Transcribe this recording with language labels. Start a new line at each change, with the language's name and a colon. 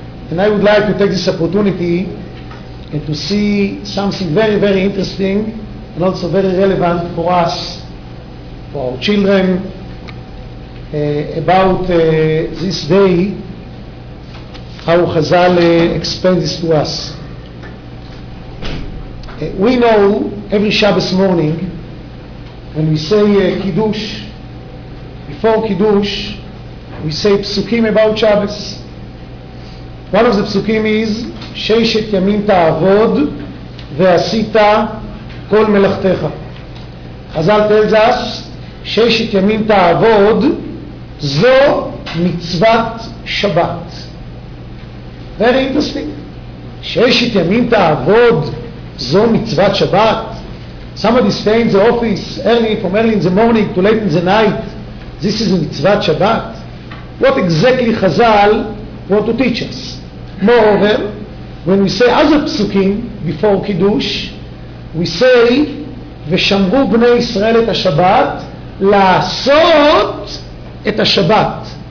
English: And I would like to take this opportunity and to see something very, very interesting and also very relevant for us, for our children, about this day, how Chazal explains this to us. We know every Shabbos morning when we say Kiddush, before Kiddush, we say Psukim about Shabbos. One of the Psukim is
Hebrew: ששת ימים תעבוד ועשית כל מלאכתך. חזל
English: tells us,
Hebrew: ששת ימים תעבוד, זו מצוות שבת.
English: Very interesting.
Hebrew: ששת ימים תעבוד, זו מצוות שבת.
English: Somebody stay in the office early, from early in the morning to late in the night. This is מצוות שבת. What exactly חזל want to teach us? Moreover, when we say other psukim before kiddush, we say
Hebrew: ושמרו בני ישראל את השבת,
English: לעשות את השבת.